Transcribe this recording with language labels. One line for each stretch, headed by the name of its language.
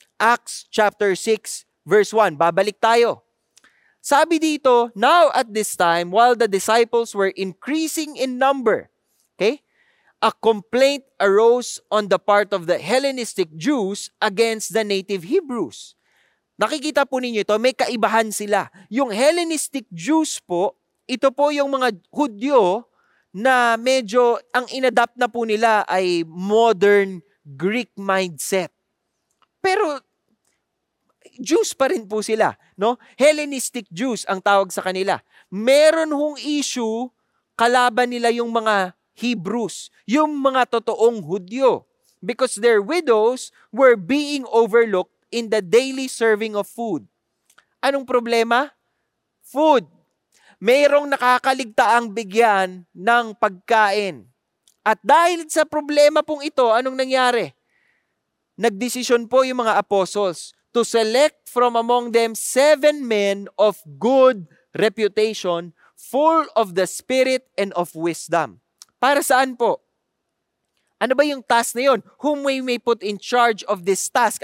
English: Acts chapter 6 verse 1.
Filipino: Babalik tayo. Sabi dito,
English: now at this time, while the disciples were increasing in number, okay, a complaint arose on the part of the Hellenistic Jews against the native Hebrews.
Filipino: Nakikita po ninyo ito, may kaibahan sila. Yung Hellenistic Jews po, ito po yung mga Hudyo na medyo ang inadapt na po nila ay modern Greek mindset. Pero Jews pa rin po sila, no? Hellenistic Jews ang tawag sa kanila. Meron hong issue, kalaban nila yung mga Hebrews, yung mga totoong Hudyo,
English: because their widows were being overlooked in the daily serving of food.
Filipino: Anong problema? Food. Mayroong nakakaligtaang bigyan ng pagkain. At dahil sa problema pong ito, anong nangyari? Nagdesisyon po yung mga apostles
English: to select from among them 7 men of good reputation, full of the Spirit and of wisdom.
Filipino: Para saan po? Ano ba yung task na yun?
English: Whom we may put in charge of this task?